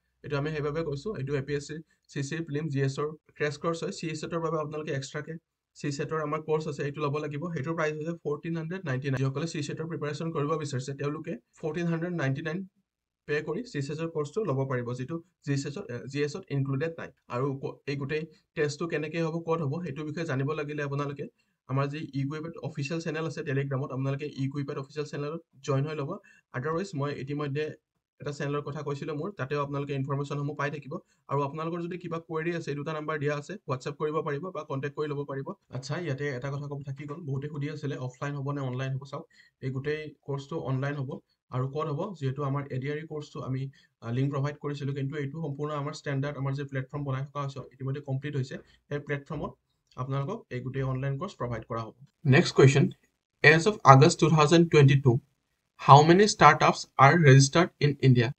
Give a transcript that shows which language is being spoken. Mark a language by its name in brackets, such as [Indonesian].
[Assamese] এইটো আমি সেইবাবে কৈছোঁ এইটো এপিএছচি চিচি প্ৰিলিম জি এছৰ ক্ৰেছ কোৰ্চ হয় চিএছেটৰ বাবে আপোনালোকে এক্সট্ৰাকৈ চিচেটৰ আমাৰ কোৰ্চ আছে এইটো ল'ব লাগিব সেইটো প্ৰাইচ হৈছে 1499 যিসকলে চিচেটৰ প্ৰিপাৰেশ্যন কৰিব বিচাৰিছে তেওঁলোকে 1499 পে' কৰি চিচেটৰ কোৰ্চটো ল'ব পাৰিব যিটো জিএছত ইনক্লুডেড নাই আৰু এই গোটেই টেষ্টটো কেনেকৈ হ'ব ক'ত হ'ব সেইটোৰ বিষয়ে জানিব লাগিলে আপোনালোকে আমাৰ যি ইকুইপেড অফিচিয়েল চেনেল আছে টেলিগ্ৰামত, আপোনালোকে ইকুইপেড অফিচিয়েল চেনেলত জইন হৈ ল'ব। আদাৰৱাইজ মই ইতিমধ্যে এটা চেনেলৰ কথা কৈছিলোঁ মোৰ, তাতেও আপোনালোকে ইনফৰ্মেশ্যনসমূহ পাই থাকিব। আৰু আপোনালোকৰ যদি কিবা কুৱেৰি আছে, দুটা নাম্বাৰ দিয়া আছে, হোৱাটছএপ কৰিব পাৰিব বা কণ্টেক্ট কৰি ল'ব পাৰিব। আচ্ছা, ইয়াতে এটা কথা ক'ব থাকি গ'ল, বহুতে সুধি আছিলে অফলাইন হ'ব নে অনলাইন হ'ব। চাওক, এই গোটেই কোৰ্চটো অনলাইন হ'ব। আৰু ক'ত হ'ব, যিহেতু আমাৰ এডিয়াৰী কোৰ্চটো আমি লিংক প্ৰভাইড কৰিছিলোঁ, কিন্তু এইটো সম্পূৰ্ণ আমাৰ ষ্টেণ্ডাৰ্ড, আমাৰ যি প্লেটফৰ্ম বনাই থকা হৈছে ইতিমধ্যে কমপ্লিট হৈছে। সেই প্লেটফৰ্মত আপোনালোকক এই গোটেই অনলাইন কোৰ্চ প্ৰভাইড কৰা হ'ব। [English] Next question, as of August 2022 how many startups are registered in India?